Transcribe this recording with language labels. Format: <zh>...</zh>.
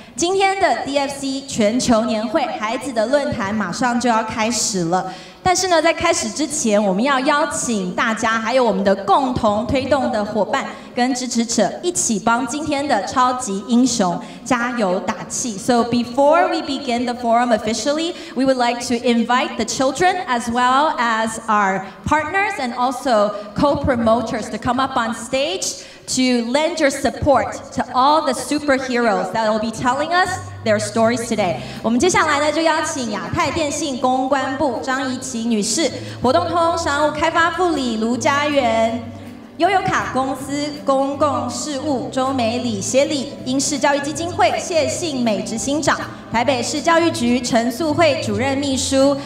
<zh>今天的 DFC 全球年会孩子的论坛马上就要开始了。但是呢，在开始之前，我们要邀请大家，还有我们的共同推动的伙伴跟支持者，一起帮今天的超级英雄加油打气。</zh> <en>So before we begin the forum officially, we would like to invite the children as well as our partners and also co-promoters to come up on stage to lend your support to all the superheroes that will be telling us their stories today.</en> <zh>我们接下来呢就邀请亚太电信公关部张怡琪女士，活动通商务开发副理卢家园，悠游卡公司公共事务周美礼协理，英式教育基金会谢信美执行长，台北市教育局陈素慧主任秘书。</zh>